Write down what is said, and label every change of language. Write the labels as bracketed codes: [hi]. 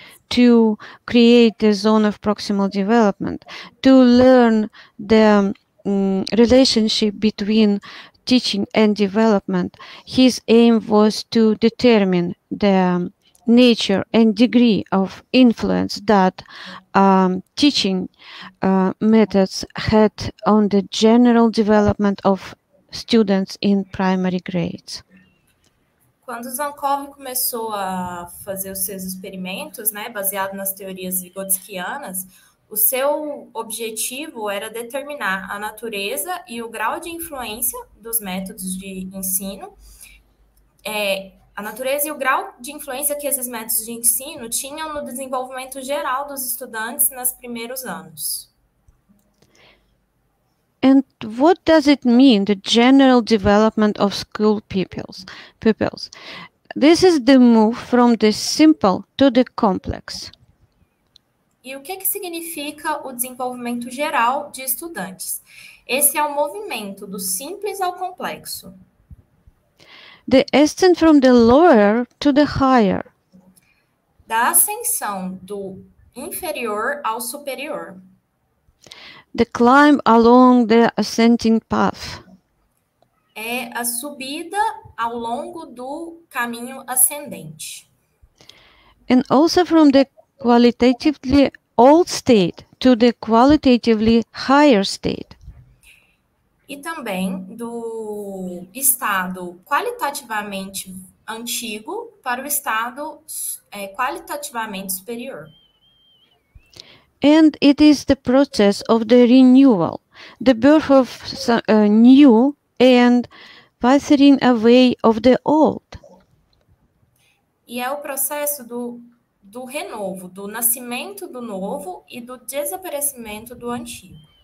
[en] to create a zone of proximal development, to learn the relationship between teaching and development, his aim was to determine the nature and degree of influence that teaching methods had on the general development of students in primary grades. [pt] Quando Zankov começou a fazer os seus experimentos, né, baseado nas teorias vygotskianas, o seu objetivo era determinar a natureza e o grau de influência dos métodos de ensino, a natureza e o grau de influência que esses métodos de ensino tinham no desenvolvimento geral dos estudantes nos primeiros anos. [en] And what does it mean, the general development of school pupils? This is the move from the simple to the complex. [pt] E o que que significa o desenvolvimento geral de estudantes? Esse é o movimento do simples ao complexo. [en] The ascent from the lower to the higher. [pt] Da ascensão do inferior ao superior. [en] The climb along the ascending path. [pt] É a subida ao longo do caminho ascendente. [en] And also from the qualitatively old state to the qualitatively higher state. [pt] E também do estado qualitativamente antigo para o estado qualitativamente superior. [en] And it is the process of the renewal, the birth of new and withering away of the old. [pt] E é o processo do renovo, do nascimento do novo e do desaparecimento do antigo.